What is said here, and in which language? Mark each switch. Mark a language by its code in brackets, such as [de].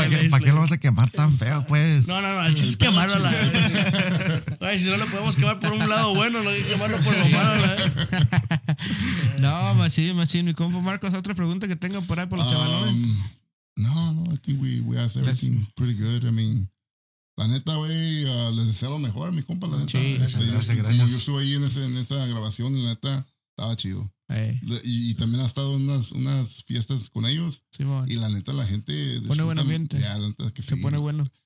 [es] ¿Para qué lo vas a quemar tan feo, pues? No, el chiste es quemarlo. Oye, si no lo podemos quemar por un lado bueno, lo hay que quemarlo por lo malo. No, machín. Mi compa Marcos, ¿otra pregunta que tenga por ahí por los chavalones? [en] No, I think we asked everything pretty good. I mean, [es] la neta, güey, les deseo lo mejor a mi compa, la neta. Gracias. Yo estuve ahí en esa grabación y la neta, estaba chido. Y también ha estado unas fiestas con ellos. Sí, man. Y la neta, la gente... Pone buen ambiente. Ya, la neta, que se pone bueno.